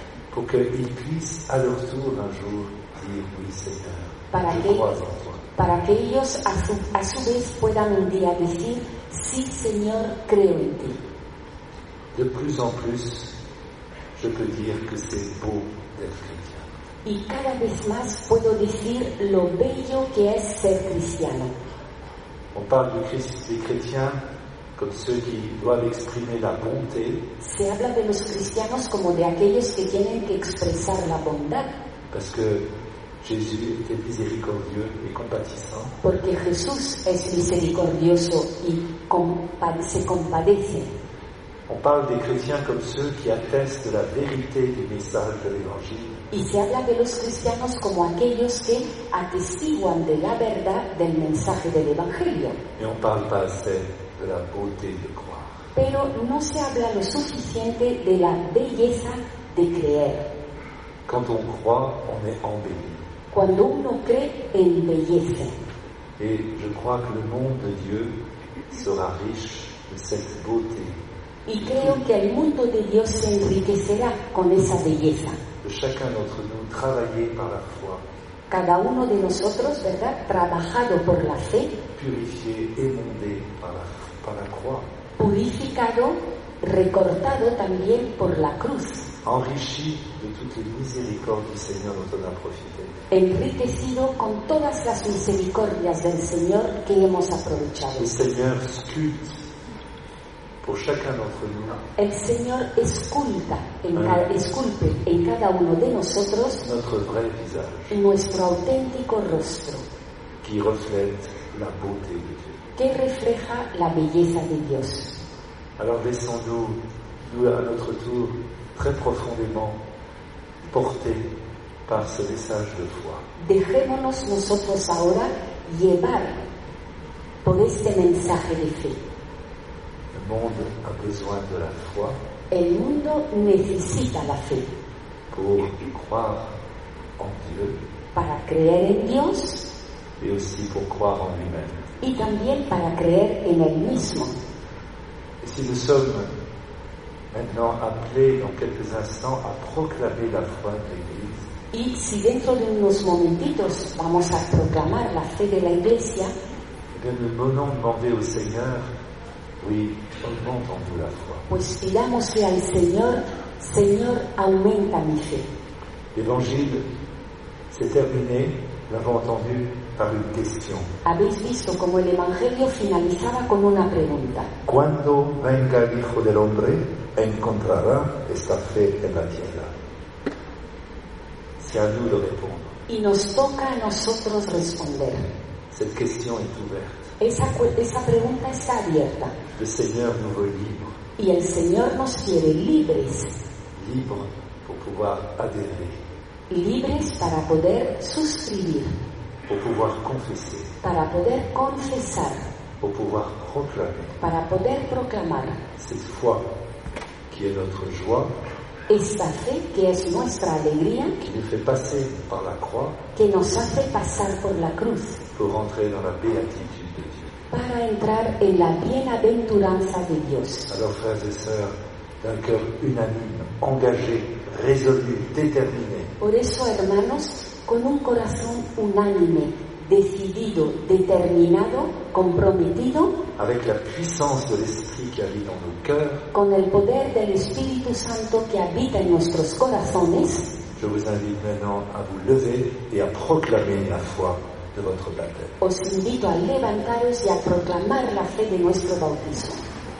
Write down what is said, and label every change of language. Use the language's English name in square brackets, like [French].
[French] Pour qu'ils puissent à leur tour un jour dire oui Seigneur, je crois en toi. [Spanish] Para que ellos a su vez puedan un día decir sí Señor, creo en ti. [French] De plus en plus je peux dire que c'est beau d'être chrétien. [Spanish] Y cada vez más puedo decir lo bello que es ser cristiano. [French] On parle de des chrétiens comme ceux qui doivent exprimer la bonté. [Spanish] Se habla de los cristianos como de aquellos que tienen que expresar la bondad. [French] Parce que Jésus était miséricordieux et compatissant. [Spanish] Porque Jesús es misericordioso y se compadece. [French] On parle des chrétiens comme ceux qui attestent la vérité du message de l'Évangile. [Spanish] Y se habla de los cristianos como aquellos que atestiguan de la verdad del mensaje del Evangelio. [French] Et on parle pas assez de la beauté de croire. [Spanish] Pero no se habla lo suficiente de la belleza de creer. [French] Quand on croit, on est embelli. [Spanish] Cuando uno cree en belleza. [French] Et je crois que le monde de Dieu sera riche de cette beauté. [Spanish] Y creo que el mundo de Dios se enriquecerá con esa belleza. [French] De chacun d'entre nous travaillé par la foi. [Spanish] Cada uno de nosotros, ¿verdad? Trabajado por la fe. [French] Purifié, émondé par la croix. [Spanish] Purificado, recortado también por la cruz. [French] enrichi de toutes les miséricordes du Seigneur dont on a profité. [Spanish] Enriquecido con todas las misericordias del Señor que hemos aprovechado. [French] Le Seigneur sculpte pour chacun d'entre nous. [Spanish] El Señor esculpe en cada uno de nosotros [French] notre vrai visage, [Spanish] nuestro auténtico rostro, [French] qui reflète la beauté de Dieu. [Spanish] Que refleja la belleza de Dios. [French] Alors descendons nous à notre tour très profondément portés par ce message de foi. [Spanish] Dejémonos nosotros ahora llevar por este mensaje de fe. [French] Le monde a besoin de la foi. [Spanish] El mundo necesita la fe. [French] Pour y croire en Dieu. [Spanish] Para creer en Dios. [French] Et aussi pour croire en lui-même. [Spanish] Y también para creer en él mismo. [French] Et si nous sommes maintenant appelés dans quelques instants à proclamer la foi de l'Église. [Spanish] Y si dentro de unos momentitos vamos a proclamar la fe de la Iglesia. [French] Bien, nous venons demander au Seigneur, oui, augmente en nous la foi. [Spanish] Pues pidámosle al Señor, Señor, aumenta mi fe. [French] L'Évangile s'est terminé, nous l'avons entendu, par une question. [Spanish] Habéis visto como el Evangelio finalizaba con una pregunta. ¿Cuándo venga el Hijo del Hombre? Encontrará esta fe en la tierra. [French] C'est à nous de répondre. [Spanish] Y nos toca a nosotros responder. [French] Cette question est ouverte. [Spanish] Esa pregunta está abierta. [French] Le Seigneur nous veut libres. [Spanish] Y el Señor nos quiere libres. [French] Libres pour pouvoir adhérer. [Spanish] Libres para poder suscribir. [French] Pour pouvoir confesser. [Spanish] Para poder confesar. [French] Pour pouvoir proclamer. [Spanish] Para poder proclamar. [French] Cette foi. Qui est notre joie, [Spanish] esta fe que es nuestra alegría, [French] qui nous fait passer par la croix, [Spanish] que nos hace pasar por la cruz, [French] pour entrer dans la béatitude de Dieu, [Spanish] para entrar en la bienaventuranza de Dios. [French] Alors, frères et sœurs, d'un cœur unanime, engagé, résolu, déterminé. [Spanish] Por eso, hermanos, con un corazón unánime, decidido, determinado, comprometido, [French] avec la puissance de l'Esprit qui habite dans nos cœurs, [Spanish] con el poder del Espíritu Santo que habita en nuestros corazones, [French] je vous invite maintenant à vous lever et à proclamer la foi de votre baptême. [Spanish] Os invito a levantaros y a proclamar la fe de nuestro bautismo.